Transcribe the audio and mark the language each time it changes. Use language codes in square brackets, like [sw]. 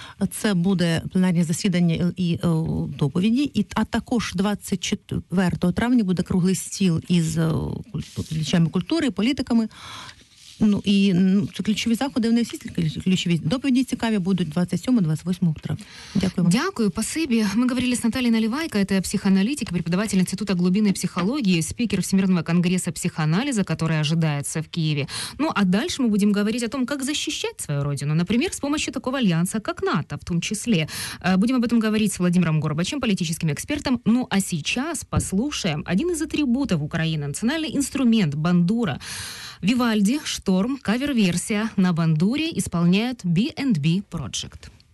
[uk] Це буде пленарне засідання і доповіді. А також 24 травня буде круглий стіл із лічами культури, політиками. Ну, і це ключові заходи, вони всі тільки ключові. Доповіді цікаві будуть 27-28 травня. Дякую вам. Дякую, спасибі. [ru] Ми говорили з Натальей Наливайко, это психоаналитик, преподаватель Института глубинной психологии, спикер Всемирного конгресса психоанализа, который ожидается в Киеве. Ну, а дальше мы будем говорить о том, как защищать свою родину, например, с помощью такого альянса, как НАТО, в том числе. Будем об этом говорить с Владимиром Горбачем, политическим экспертом. Ну, а сейчас послушаем один из атрибутов Украины, национальный инструмент «Бандура». Вивальди, «Шторм», кавер-версия. На «Бандуре» исполняют B&B Project.